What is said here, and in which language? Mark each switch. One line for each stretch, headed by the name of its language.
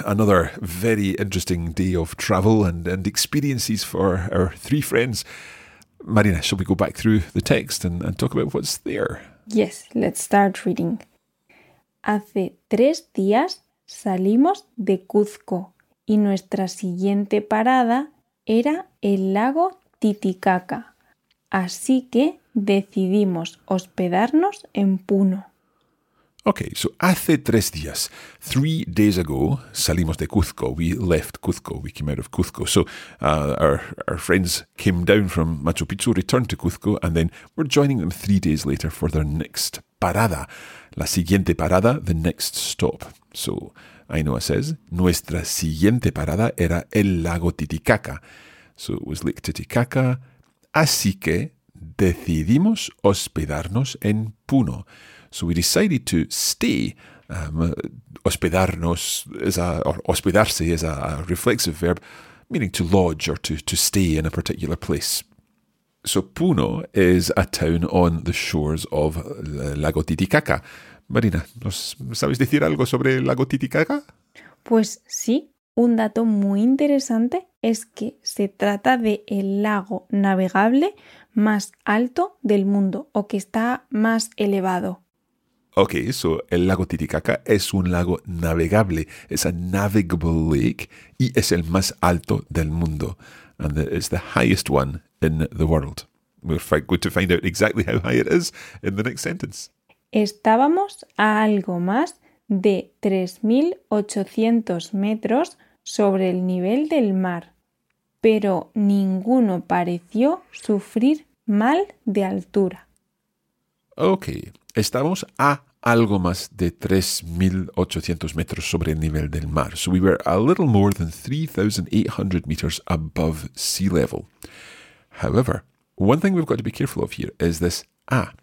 English: Another very interesting day of travel and experiences for our three friends. Marina, shall we go back through the text and talk about what's there? Yes, let's start reading.
Spanish: Hace 3 días salimos de Cuzco y nuestra siguiente parada era el lago Titicaca. Así que decidimos hospedarnos en Puno.
English: Okay, so
Spanish: hace 3 días,
English: 3 days ago,
Spanish: salimos de Cuzco.
English: We left Cuzco. We came out of Cuzco. So our friends came down from Machu Picchu, returned to Cuzco, and then we're joining them 3 days later for their next parada.
Spanish: La siguiente parada,
English: the next stop. So Ainhoa says,
Spanish: nuestra siguiente parada era el lago Titicaca.
English: So it was Lake Titicaca.
Spanish: Así que, decidimos hospedarnos en Puno.
English: So we decided to stay. Hospedarnos is a, or hospedarse is a reflexive verb, meaning to lodge or to stay in a particular place. So Puno is a town on the shores of Lago Titicaca.
Spanish: Marina, ¿nos sabes decir algo sobre Lago Titicaca? Pues sí, un dato muy interesante es que se trata de el lago navegable más alto del mundo o que está más elevado.
English: Ok, so
Spanish: el lago Titicaca es un lago navegable.
English: It's a navigable lake
Spanish: y es el más alto del mundo.
English: And it's the highest one in the world. We're going to find out exactly how high it is in the next sentence.
Spanish: Estábamos a algo más de 3.800 metros sobre el nivel del mar, pero ninguno pareció sufrir mal de altura. Ok, estábamos a algo más de 3.800 metros sobre el nivel del mar.
English: So we were a little more than 3,800 meters above sea level. However, one thing we've got to be careful of here is this a.